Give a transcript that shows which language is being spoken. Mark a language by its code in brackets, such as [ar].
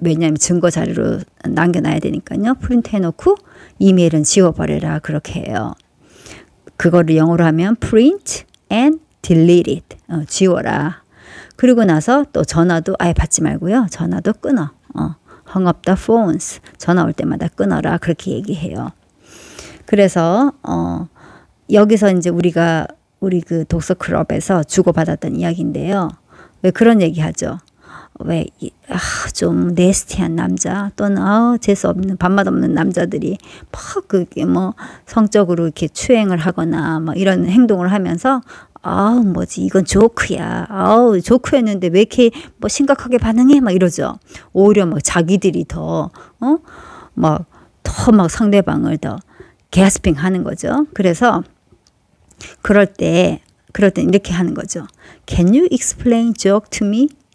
[ko] 왜냐하면 증거 자료로 남겨놔야 되니까요. 프린트 해놓고 이메일은 지워버려라 그렇게 해요. 그거를 영어로 하면 [en] print and delete it. [ko] 지워라. 그리고 나서 또 전화도 아예 받지 말고요. 전화도 끊어. [en] Hung up the phones. [ko] 전화 올 때마다 끊어라. 그렇게 얘기해요. 그래서 여기서 이제 우리 그 독서 클럽에서 주고받았던 이야기인데요. 왜 그런 얘기하죠? 왜 좀 네스티한 남자 또는 재수 없는 밥맛 없는 남자들이 막 그게 뭐 성적으로 이렇게 추행을 하거나 뭐 이런 행동을 하면서 아우 뭐지 이건 조크야 아우 조크였는데 왜 이렇게 뭐 심각하게 반응해 막 이러죠. 오히려 막 자기들이 더 막 더 막 상대방을 더 게스핑 하는 거죠. 그래서 그럴 때 이렇게 하는 거죠. [en] Can you explain joke to me?